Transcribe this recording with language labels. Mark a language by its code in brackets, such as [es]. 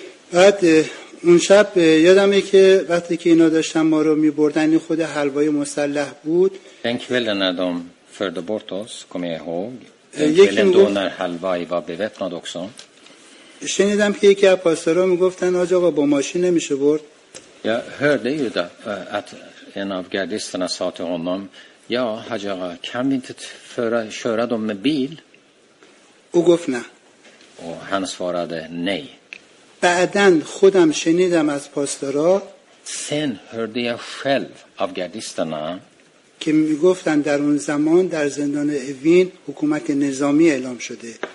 [fa] بعد اون شب یادمه که وقتی که اینا داشتن ما رو می‌بردن این خود حلوای مسلح بود. [sv] Den kvällen när de förde bort oss, kom jag ihåg. Kvällen då när halvaj var beväpnad också. [fa] شنیدم که یکی از پاسدارا میگفتن آج آقا با ماشین نمیشه برد. [sv] Jag hörde ju då att en av gardisterna sa till honom: "Ja, Haja, kan vi inte köra dem med bil?" [fa] او گفت نه. [sv] Och han svarade nej. [fa] بعدن خودم شنیدم از پاسدارا. [sv] Sen hörde jag själv av gardisterna. [fa] که میگفتن در اون زمان در زندان اوین حکومت نظامی اعلام شده.